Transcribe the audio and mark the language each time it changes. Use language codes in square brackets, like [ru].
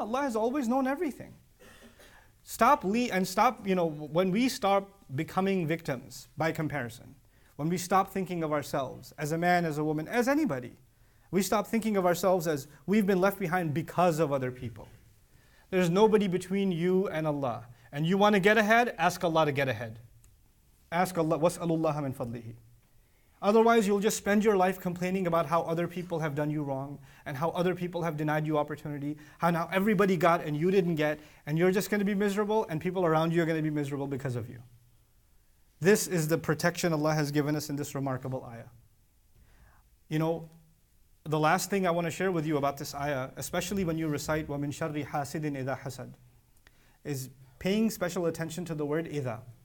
[en] Allah has always known everything. When we stop becoming victims by comparison, when we stop thinking of ourselves as a man, as a woman, as anybody, we stop thinking of ourselves as we've been left behind because of other people. There's nobody between you and Allah. And you want to get ahead? Ask Allah to get ahead. Ask [ar] Allah, وَاسْأَلُ اللَّهَ مِنْ فَضْلِهِ. [en] Otherwise, you'll just spend your life complaining about how other people have done you wrong and how other people have denied you opportunity, how now everybody got and you didn't get, and you're just going to be miserable and people around you are going to be miserable because of you. This is the protection Allah has given us in this remarkable ayah. You know, the last thing I want to share with you about this ayah, especially when you recite [ar] وَمِنْ شَرِّ حَاسِدٍ إِذَا حَسَدٍ, [en] is paying special attention to the word إِذَا.